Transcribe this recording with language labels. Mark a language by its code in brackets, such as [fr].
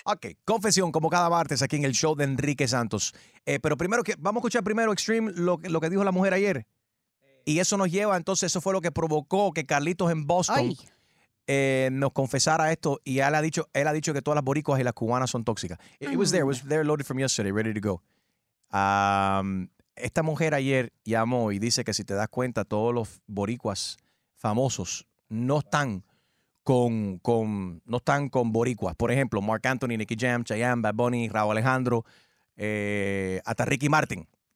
[es] Ok, confesión, como cada martes aquí en el show de Enrique Santos. Pero primero, que vamos a escuchar primero, Extreme, lo que dijo la mujer ayer. Y eso nos lleva, entonces, eso fue lo que provocó que Carlitos en Boston nos confesara esto. Y él ha dicho que todas las boricuas y las cubanas son tóxicas. [en] It was there loaded from yesterday, ready to go. [es] Esta mujer ayer llamó y dice que si te das cuenta, todos los boricuas famosos no están con boricuas. Por ejemplo, Marc Anthony, Nicky Jam, Chayanne, Bad Bunny, Raúl Alejandro, hasta Ricky Martin.